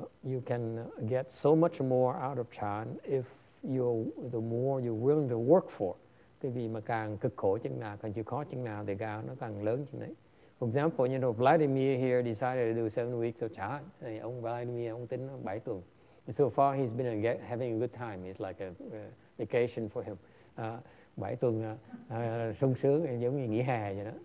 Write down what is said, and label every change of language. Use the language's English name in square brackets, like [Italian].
[English] You can get so much more out of chan if the more you're willing to work for. [Vietnamese] Cái vì mà càng cực khổ chừng nào, càng chịu khó chừng nào thì gao nó càng lớn chừng đấy. [English] For example, Vladimir here decided to do 7 weeks of chan. [Vietnamese] Ông Vladimir, ông tính 7 tuần. [English] So far, he's been having a good time. It's like a vacation for him. [Vietnamese] 7 tuần sung sướng, giống như nghỉ hè vậy đó.